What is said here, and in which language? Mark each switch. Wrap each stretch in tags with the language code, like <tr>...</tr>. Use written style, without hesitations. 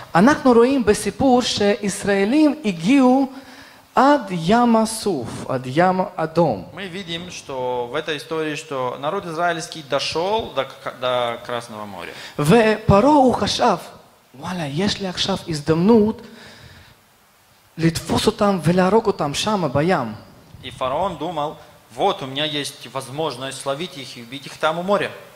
<he>אנחנו רואים בסיפור שישראלים הגיעו עד ים הסוף, עד ים אדום.</he> <ru>Мы видим, что в этой истории, что народ израильский дошел до Красного моря.</ru> <he>ופרעה הוא חשב, וואלה, יש לי עכשיו הזדמנות לתפוס אותם ולהרוג אותם שם בים.</he> <ru>И фараон думал, вот, у меня есть возможность словить их и убить их там у моря.</ru>